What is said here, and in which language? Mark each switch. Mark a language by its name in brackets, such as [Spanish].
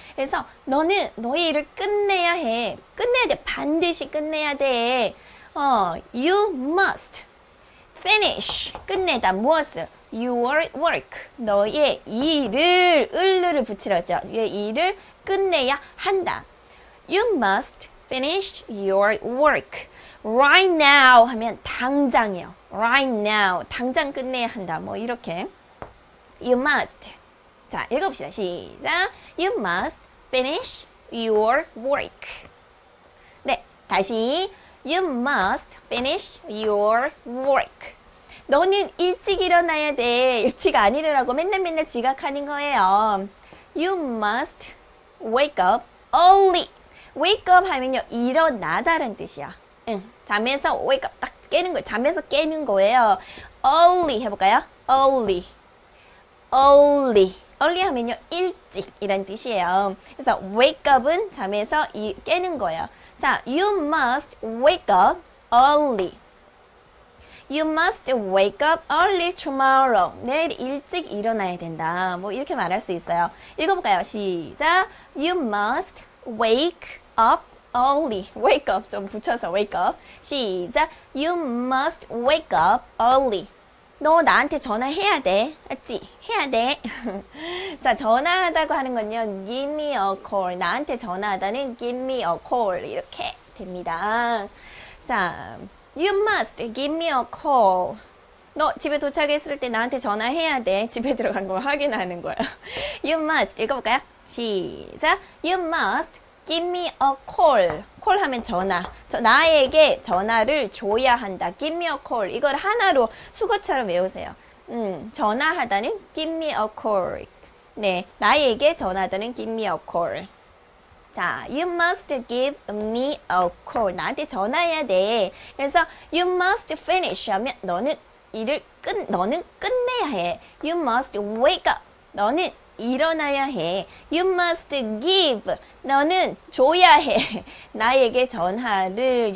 [Korean] 그래서 너는 너의 일을 끝내야 해. 끝내야 돼. 반드시 끝내야 돼. [English] You must finish. [Korean] 끝내다. 무엇을? [English] Your work, [Korean] 너의 일을, 을르를 붙이라죠. 너의 일을 끝내야 한다. [English] You must finish your work. Right now [Korean] 하면 당장이요. Right now, 당장 끝내야 한다. 뭐 이렇게. [English] You must. [Korean] 자, 읽어봅시다. 시작. [English] You must finish your work. [Korean] 네, 다시. [English] You must finish your work. [Korean] 너는 일찍 일어나야 돼. 일찍 안 일어나고 맨날 맨날 지각하는 거예요. [English] You must wake up early. [Korean] Wake up 하면요, 일어나다라는 뜻이야. 응, 잠에서 wake up 딱 깨는 거예요. 잠에서 깨는 거예요. Early 해볼까요? Early, early, early 하면요, 일찍이라는 뜻이에요. 그래서 wake up은 잠에서 깨는 거예요. [English] 자, you must wake up early. You must wake up early tomorrow. [Korean] 내일 일찍 일어나야 된다. 뭐 이렇게 말할 수 있어요. 읽어볼까요? 시작. [English] You must wake up early. Wake up [Korean] 좀 붙여서 [English] wake up. 시작. You must wake up early. [Korean] 너 나한테 전화해야 돼. 맞지? 해야 돼. 자, 전화하다고 하는 건요. [English] Give me a call. [Korean] 나한테 전화하다는 [English] give me a call [Korean] 이렇게 됩니다. [English] 자. You must give me a call. [Korean] 너 집에 도착했을 때 나한테 전화해야 돼. 집에 들어간 걸 확인하는 거야. [English] You must. [Korean] 읽어볼까요? 시작. [English] You must give me a call. call 하면 전화. [Korean] 저 나에게 전화를 줘야 한다. [English] give me a call. [Korean] 이걸 하나로 수거처럼 외우세요. 전화하다는 [English] give me a call. [Korean] 네. 나에게 전화하다는 [English] give me a call. 자, you must give me a call. [Korean] 나한테 전화해야 돼. 그래서 [English] you must finish [Korean] 하면 너는 일을 끝 너는 끝내야 해. You must wake up. 너는 일어나야 해. [English] You must give. [Korean] 너는 줘야 해. 나에게 전화를.